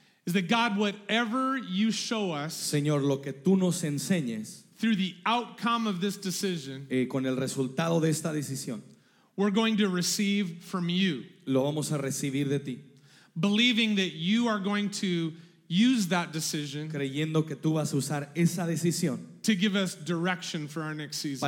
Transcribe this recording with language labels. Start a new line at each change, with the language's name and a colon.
English: Is that God, whatever you show us.
Spanish: Señor, lo que tú nos enseñes.
English: Through the outcome of this decision.
Spanish: Con el resultado de esta decisión.
English: We're going to receive from you.
Spanish: Lo vamos a recibir de ti.
English: Believing that you are going to use that decision.
Spanish: Creyendo que tú vas a usar esa decisión.
English: To give us direction for our next season.